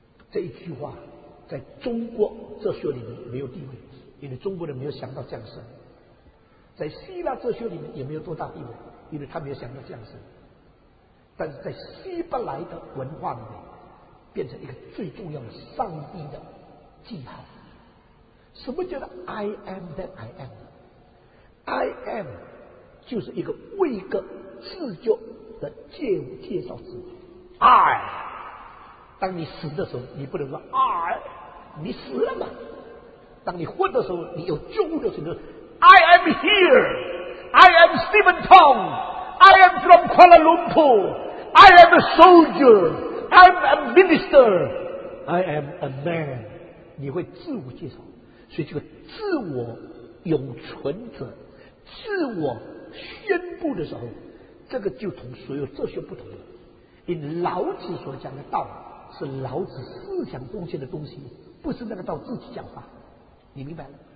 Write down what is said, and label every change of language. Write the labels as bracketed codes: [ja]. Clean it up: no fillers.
[zh] 这一句话在中国哲学里面没有地位，因为中国人没有想到降生。在希腊哲学里面也没有多大地位，因为他没有想到降生。但是在希伯来的文化里面，变成一个最重要的上帝的记号。什么叫做 [en] I am that I am？ I am [zh] 就是一个位格自觉的介绍词。 I， 当你死的时候，你不能说 I， 你死了嘛？当你活的时候，你有觉悟的时候 [en] ，I am here， I am Stephen Tong， I am from Kuala Lumpur， I am a soldier， I am a minister， I am a man。 [zh] 你会自我介绍，所以这个自我永存者，自我宣布的时候，这个就同所有哲学不同了。因为老子所讲的道是老子思想中间的东西，不是那个道自己讲话，你明白了？